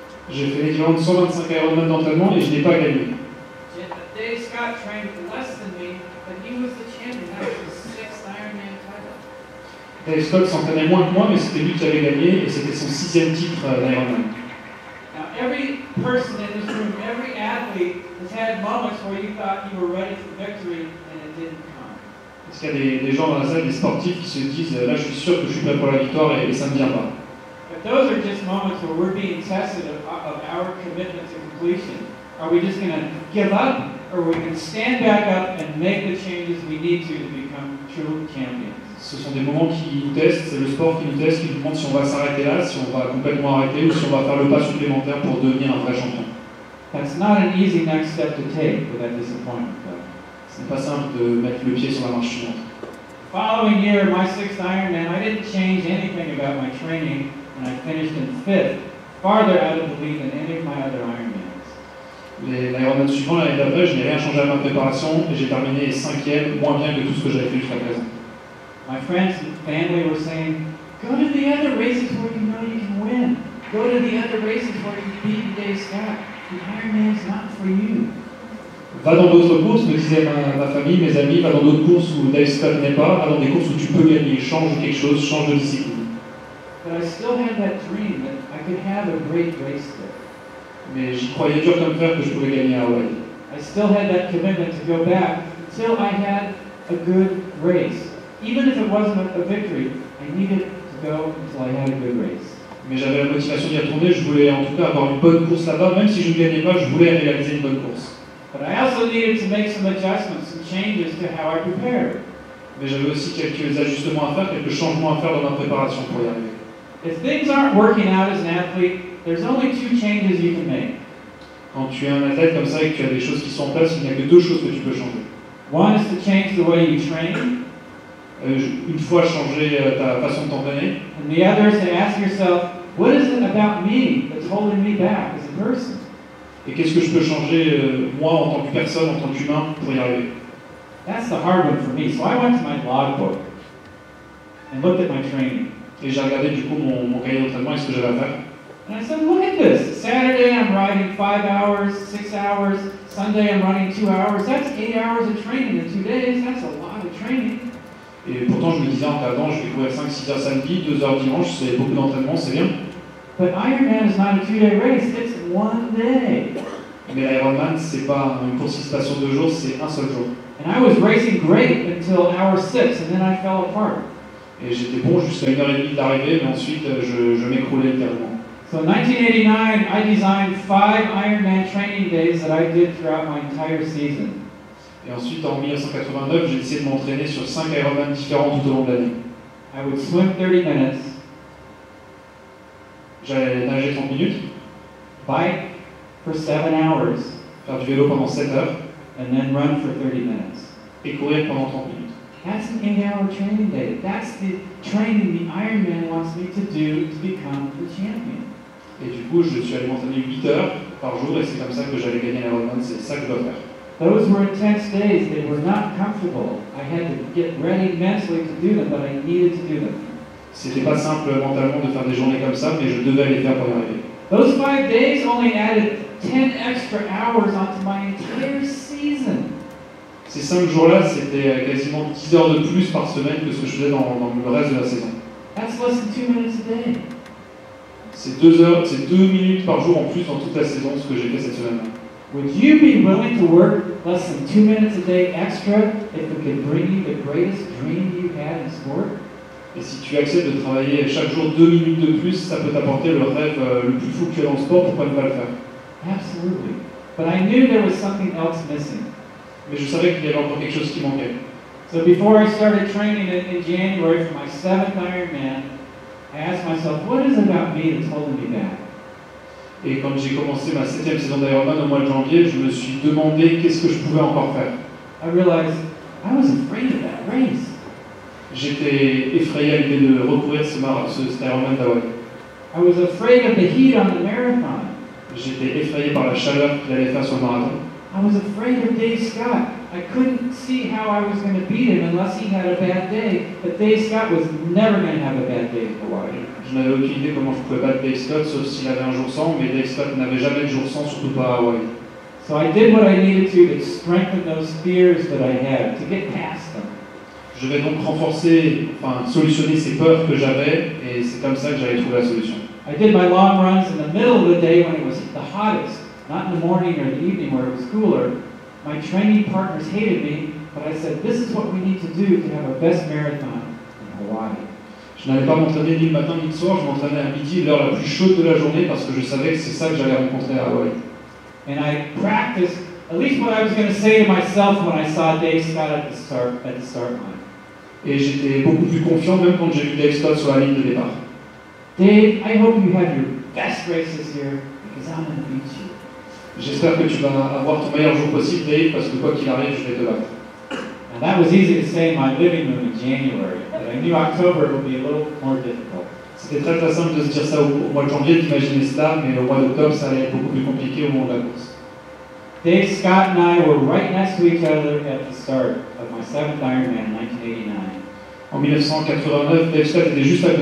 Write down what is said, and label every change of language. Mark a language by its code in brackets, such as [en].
[fr] J'ai fait l'équivalent de 125 aéronautes d'entraînement et je n'ai pas gagné. [en] Dave Scott trained less than me, but he was the champion. That was his 6th Ironman title. [fr] Dave Scott s'entraînait moins que moi, mais c'était lui qui avait gagné et c'était son 6e titre d'Ironman. [en] Now every person in this room, every athlete has had moments where you thought you were ready for victory and it didn't come. [fr] Est-ce qu'il y a des gens dans la salle, des sportifs qui se disent là je suis sûr que je suis prêt pour la victoire et ça ne vient pas? [en] But those are just moments where we're being tested of our commitment to completion. Are we just going to give up or are we going to stand back up and make the changes we need to become true champions? [fr] Ce sont des moments qui nous testent, c'est le sport qui nous teste, qui nous montre si on va s'arrêter là, si on va complètement arrêter ou si on va faire le pas supplémentaire pour devenir un vrai champion. [en] That's not an easy next step to take with that disappointment, though. [fr] Ce n'est pas simple de mettre le pied sur la marche suivante. [en] The following year, my 6th Ironman, I didn't change anything about my training and I finished in 5th, farther out of the lead than any of my other Ironmans. [fr] L'Ironman suivant, l'année d'après, je n'ai rien changé à ma préparation et j'ai terminé 5e, moins bien que tout ce que j'avais fait jusqu'à présent. [en] My friends and family were saying, go to the other races where you know you can win. Go to the other races where you beat Dave Scott. The Ironman is not for you. [fr] Va dans d'autres courses, me disait ma famille, mes amis, va dans d'autres courses où Dave Scott n'est pas, va dans des courses où tu peux gagner, change quelque chose, change de discipline. [en] But I still had that dream that I could have a great race there. [fr] Mais j'y croyais dur comme fer que je pouvais gagner à Hawaii. [en] I still had that commitment to go back until I had a good race. Even if it wasn't a victory, I needed to go until I had a good race. [fr] Mais j'avais la motivation d'y retourner, je voulais en tout cas avoir une bonne course là-bas, même si je ne gagnais pas, je voulais réaliser une bonne course. [en] But I also needed to make some adjustments, some changes to how I prepared. [fr] Mais j'avais aussi quelques ajustements à faire, quelques changements à faire dans ma préparation pour y arriver. [en] If things aren't working out as an athlete, there's only two changes you can make. [fr] Quand tu es un athlète comme ça et que tu as des choses qui sont en place, il n'y a que deux choses que tu peux changer. [en] One is to change the way you train. [fr] Une fois changé ta façon de t'entraîner. [en] And the other is to ask yourself, what is it about me that's holding me back as a person? [fr] Et qu'est-ce que je peux changer moi en tant que personne, en tant qu'humain, pour y arriver? [en] That's the hard one for me. So I went to my logbook and looked at my training. [fr] Et j'ai regardé du coup mon cahier d'entraînement et ce que j'avais à faire. [en] And I said, look at this. Saturday I'm riding 5 hours, 6 hours. Sunday I'm running 2 hours. That's 8 hours of training in 2 days. That's a lot of training. [fr] Et pourtant, je me disais en t'attendant, je vais courir 5-6 heures samedi, 2 heures dimanche, c'est beaucoup d'entraînement, c'est bien. [en] But Ironman is not a 2-day race, it's one day. [fr] Mais Ironman, c'est pas une course qui se passe sur 2 jours, c'est un seul jour. [en] And I was racing great until hour 6, and then I fell apart. [fr] Et j'étais bon jusqu'à 1h30 de l'arrivée, mais ensuite, je m'écroulais littéralement. [en] So in 1989, I designed 5 Ironman training days that I did throughout my entire season. [fr] Et ensuite, en 1989, j'ai essayé de m'entraîner sur 5 Ironman différents tout au long de l'année. [en] I would swim 30 minutes. [fr] J'allais nager 30 minutes. [en] Bike for 7 hours. [fr] Faire du vélo pendant 7 heures. [en] And then run for 30 minutes. [fr] Et courir pendant 30 minutes. [en] That's an 8-hour training day. That's the training the Ironman wants me to do to become the champion. [fr] Et du coup, je suis allé m'entraîner 8 heures par jour et c'est comme ça que j'allais gagner l'Ironman. C'est ça que je dois faire. [en] Those were intense days, they were not comfortable. I had to get ready mentally to do them, but I needed to do them. [fr] C'était pas simple mentalement de faire des journées comme ça, mais je devais les faire pour y arriver. [en] Those 5 days only added 10 extra hours onto my entire season. [fr] Ces 5 jours-là, c'était quasiment 10 heures de plus par semaine que ce que je faisais dans le reste de la saison. [en] That's less than 2 minutes a day. [fr] C'est 2 minutes par jour en plus dans toute la saison, ce que j'ai fait cette semaine-là. [en] Would you be willing to work less than 2 minutes a day extra if it could bring you the greatest dream you had in sport? [fr] Et si tu acceptes de travailler chaque jour 2 minutes de plus, ça peut t'apporter le rêve le plus fou que tu as en sport, pourquoi ne pas le faire? [en] Absolutely. But I knew there was something else missing. [fr] Mais je savais qu'il y avait encore quelque chose qui manquait. [en] So before I started training in January for my 7th Ironman, I asked myself, what is it about me that's holding me back? [fr] Et quand j'ai commencé ma 7e saison d'Ironman au mois de janvier, je me suis demandé qu'est-ce que je pouvais encore faire. [en] I realized I was afraid of that race. [fr] J'étais effrayé à l'idée de recourir cet Ironman d'Hawaii. [en] I was afraid of the heat on the marathon. [fr] J'étais effrayé par la chaleur qu'il allait faire sur le marathon. [en] I was afraid of Dave Scott. I couldn't see how I was going to beat him unless he had a bad day. But Dave Scott was never going to have a bad day in Hawaii. [fr] Je n'avais aucune idée comment je pouvais battre Dave Scott, sauf s'il avait un jour sans, mais Dave Scott n'avait jamais de jour sans, surtout pas à Hawaii. [en] So I did what I needed to strengthen those fears that I had, to get past them. [fr] Je vais donc renforcer, enfin, solutionner ces peurs que j'avais, et c'est comme ça que j'allais trouver la solution. [en] I did my long runs in the middle of the day when it was the hottest, not in the morning or the evening where it was cooler. My training partners hated me, but I said, this is what we need to do to have our best marathon in Hawaii. [fr] Je n'allais pas m'entraîner ni le matin ni le soir, je m'entraînais à midi, l'heure la plus chaude de la journée, parce que je savais que c'est ça que j'allais rencontrer à Hawaii. [en] And I practiced at least what I was going to say to myself when I saw Dave Scott at the start line. [fr] Et j'étais beaucoup plus confiant même quand j'ai vu Dave Scott sur la ligne de départ. [en] Dave, I hope you have your best race this year because I'm going to beat you. [fr] J'espère que tu vas avoir ton meilleur jour possible, Dave, parce que quoi qu'il arrive, je vais te battre. [en] And that was easy to say in my living room in January, but I knew October would be a little more difficult. [fr] C'était très très simple de se dire ça au mois de janvier, d'imaginer cela, mais au mois d'octobre, ça allait être beaucoup plus compliqué au moment de la course. [en] Dave Scott and I were right next to each other at the start of my 7th Ironman in 1989.